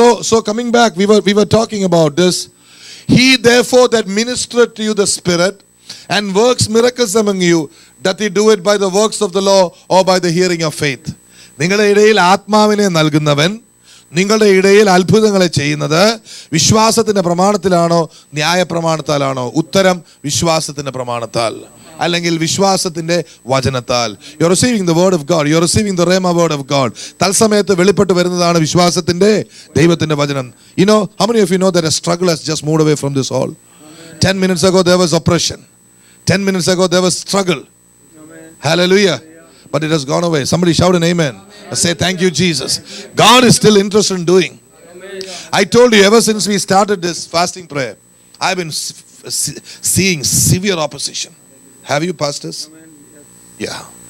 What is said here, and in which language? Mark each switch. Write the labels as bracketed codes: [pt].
[en] So coming back, we were talking about this. He therefore that ministered to you the Spirit and works miracles among you, that he do it by the works of the law or by the hearing of faith. [ml] നിങ്ങളുടെ ഇടയിൽ ആത്മാവിനെ നൽകുന്നവൻ നിങ്ങളുടെ ഇടയിൽ അത്ഭുതങ്ങളെ ചെയ്യുന്നത് വിശ്വാസത്തിന്റെ പ്രമാണത്തിലാണോ ന്യായ പ്രമാണത്താലാണോ? ഉത്തരം, വിശ്വാസത്തിന്റെ പ്രമാണത്താൽ, അല്ലെങ്കിൽ വിശ്വാസത്തിന്റെ വചനത്താൽ. [en] You are receiving the word of God, you are receiving the rhema word of God. [ml] തത്സമയത്ത് വെളിപ്പെട്ട് വരുന്നതാണ് വിശ്വാസത്തിന്റെ, ദൈവത്തിന്റെ വചനം. [en] You know how many of you know that a struggle has just moved away from this hall. 10 minutes ago there was oppression. 10 minutes ago there was struggle. Amen. Hallelujah. But it has gone away. Somebody shout an amen. Amen. Say thank you, Jesus. God is still interested in doing. Amen. I told you, ever since we started this fasting prayer, I've been seeing severe opposition. Have you, pastors? Yes. Yeah.